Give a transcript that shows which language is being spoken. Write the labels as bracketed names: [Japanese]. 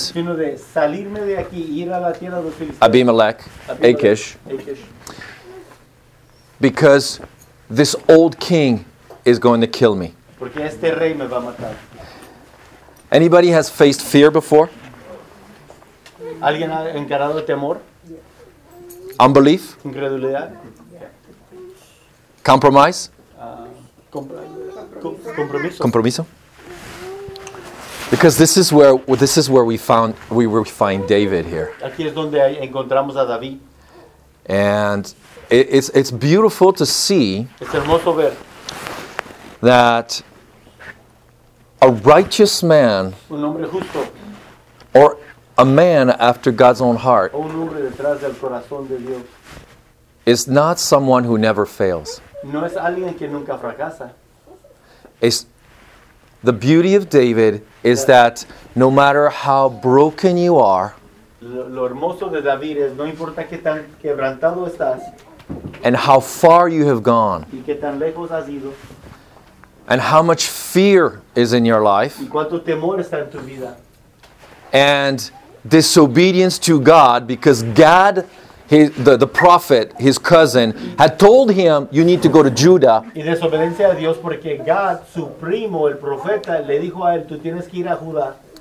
[Spanish] sino de salirme de aquí, ir a la tierra de los [English] Philistines. Abimelech, Achish. Because this old king is going to kill me. [Spanish] Porque este rey me va a matar. [English] Anybody has faced fear before? [Spanish] ¿Alguien ha encarado temor? [English] Unbelief? [Spanish] Incredulidad? [English] Compromise? [Spanish] Compromiso. Compromiso? [English] Because this is where we find David here. [Spanish] Aquí es donde encontramos a David. [English] And it's beautiful to see. [Spanish] Es hermoso ver. [English] That a righteous man, [Spanish] un hombre justo, [English] or a man after God's own heart, [Spanish] un hombre detrás del corazón de Dios, [English] is not someone who never fails. [Spanish] No es alguien que nunca fracasa. [English] It's the beauty of David is that no matter how broken you are, [Spanish] lo hermoso de David es, no importa qué tan quebrantado estás, [English] and how far you have gone, [Spanish] y qué tan lejos has ido, [English] and how much fear is in your life, [Spanish] y cuánto temor está en tu vida, [English] and disobedience to God, because God, the prophet, his cousin, had told him, you need to go to Judah. [Spanish] Y desobediencia a Dios porque God, su primo, el profeta, le dijo a él, tú tienes que ir a Judá.